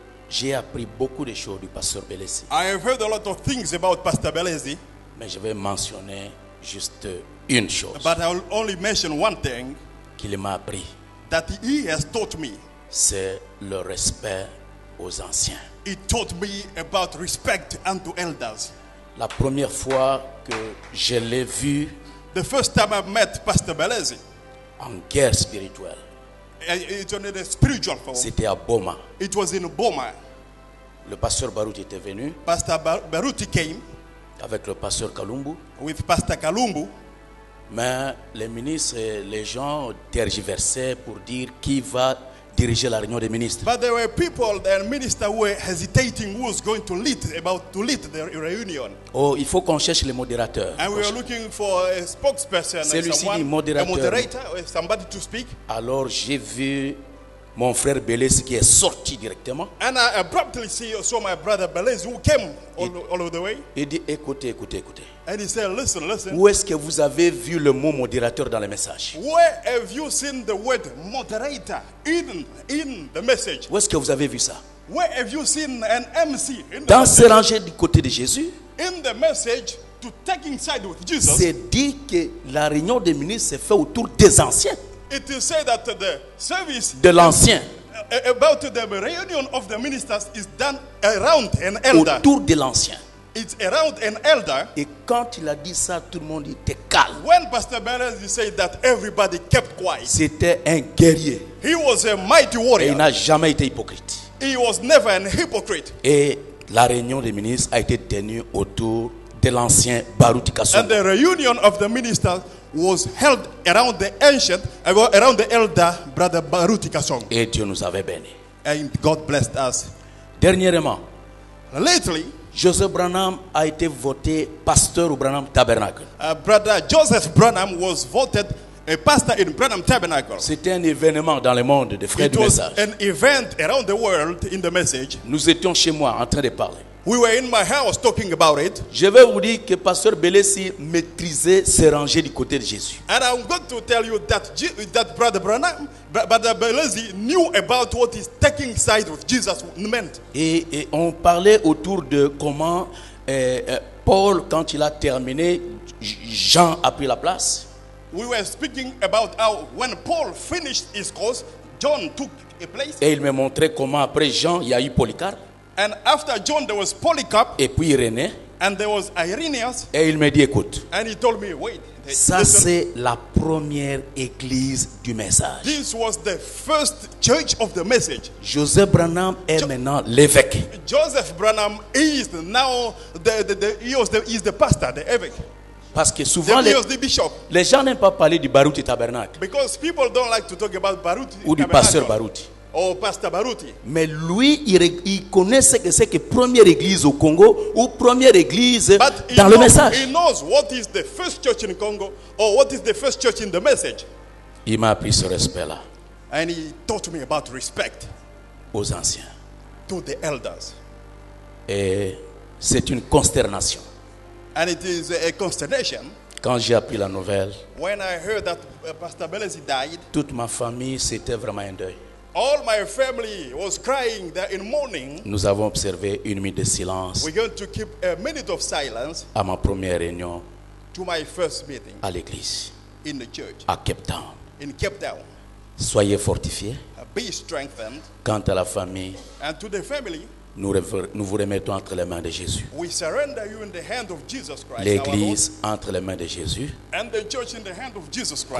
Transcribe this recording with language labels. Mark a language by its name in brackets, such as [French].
[French] J'ai appris beaucoup de choses du Pasteur Belezi. [English] I have heard a lot of things about Pastor Belezi. [French] Mais je vais mentionner juste une chose. [English] But I will only mention one thing. [French] Qu'il m'a appris. [English] That he has taught me. [French] C'est le respect aux anciens. [English] He taught me about respect unto elders. [French] La première fois que je l'ai vu, [English] the first time I met Pastor Belezi, [French] en guerre spirituelle, [English] spiritual for. [French] C'était à Boma. [English] It was in Boma. [French] Le pasteur Baruti était venu. [English] Pastor Baruti came. [French] Avec le pasteur Kalumbu. [English] With Pastor Kalumbu. [French] Mais les ministres, les gens tergiversaient pour dire qui va diriger la réunion des ministres. [English] But there were people, the minister were hesitating who was going to lead about to lead the reunion. [French] Oh, il faut qu'on cherche le modérateur. [English] And we were looking for a spokesperson, somebody to speak. [French] Alors j'ai vu mon frère Belez qui est sorti directement. [English] And I abruptly saw my brother Belez who came all the way. [French] Il dit écoutez. [English] And he said, listen. [French] Où est-ce que vous avez vu le mot modérateur dans le message? [English] Where have you seen the word moderator in the message? [French] Où est-ce que vous avez vu ça? [English] Where have you seen an MC in the [French] dans ce rangé du côté de Jésus? [English] In the message to taking side with Jesus. [French] C'est dit que la réunion des ministres s'est faite autour des anciens. [English] It is said that the service [French] de l'ancien [English] about the reunion of the ministers is done around an elder. [French] Autour de l'ancien. [English] It's around an elder. [French] Et quand il a dit ça, tout le monde était calme. [English] When Pastor Barnes said that, everybody kept quiet. [French] C'était un guerrier. [English] He was a mighty warrior. [French] Et il n'a jamais été hypocrite. [English] He was never an hypocrite. [French] Et la réunion des ministres a été tenue autour de l'ancien Baruti Kassou. [English] And the reunion of the ministers was held around the ancient, around the elder brother Baruti Kassong. [French] Et Dieu nous avait béni. [English] And God blessed us. [French] Dernièrement, [English] lately, [French] Joseph Branham a été voté pasteur au Branham Tabernacle. [English] Brother Joseph Branham was voted a pastor in Branham Tabernacle. [French] C'était un événement dans le monde des frères du message. [English] It was an event around the world in the message. [French] Nous étions chez moi en train de parler. [English] We were in my house talking about it. [French] Je vais vous dire que pasteur Belessi maîtrisait ses rangées du côté de Jésus. [English] And I'm going to tell you that brother Branham, brother Belessi knew about what is taking side with Jesus meant. [French] Et on parlait autour de comment Paul, quand il a terminé, Jean a pris la place. [English] We were speaking about how when Paul finished his course, John took a place. [French] Et il me montrait comment après Jean, il y a eu Polycarpe. [English] And after John, there was Polycarp. [French] Et puis Irénée. [English] And there was Irenaeus. [French] Et il me dit, écoute. [English] And he told me, wait. [French] Ça c'est la première église du message. [English] This was the first church of the message. [French] Joseph Branham est maintenant l'évêque. [English] Joseph Branham is now the pastor, the évêque. [French] Parce que souvent les gens n'aiment pas parler du Baruti Tabernacle. [English] Because people don't like to talk about Baruti. [French] Ou du pasteur Baruti. [English] Oh, Pastor Baruti. [French] Mais lui, il connaît ce que c'est que première église au Congo ou première église [English] but [French] dans le message. [English] He knows what is the first church in Congo or what is the first church in the message. [French] Il m'a appris ce respect-là. [English] And he taught me about respect [French] aux anciens. [English] To the elders. [French] Et c'est une consternation. [English] And it is a consternation. [French] Quand j'ai appris la nouvelle, [English] when I heard that Pastor Belezi died, [French] toute ma famille, c'était vraiment un deuil. [English] All my family was crying that in mourning. [French] Nous avons observé une minute de silence. [English] We're going to keep a minute of silence. [French] À ma première réunion. [English] To my first meeting. [French] À l'église. [English] In the church. [French] À Cape Town. [English] In Cape Town. [French] Soyez fortifiés. [English] Be strengthened. [French] Quant à la famille. [English] And to the family. [French] Nous vous remettons entre les mains de Jésus. [English] We surrender you in the hand of Jesus Christ. [French] L'église entre les mains de Jésus. [English] And the church in the hand of Jesus Christ.